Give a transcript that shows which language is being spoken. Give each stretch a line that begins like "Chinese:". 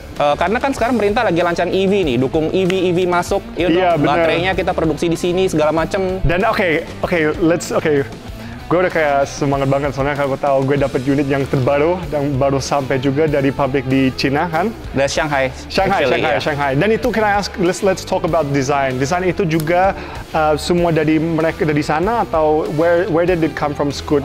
Indonesian: Karena kan sekarang pemerintah lagi lancar EV nih, dukung EV masuk,
English: you know, yeah,
Indonesian: baterainya kita produksi di sini, segala macem. Dan okay. Gue udah kayak semangat banget soalnya kalau tahu gue dapet unit yang terbaru dan baru sampai juga dari pabrik di Cina kan? Dari Shanghai. Shanghai. Dan itu
English: can I ask, let's talk about design.
Indonesian: Design itu juga semua dari mereka dari sana atau
English: where did it come from Scoot?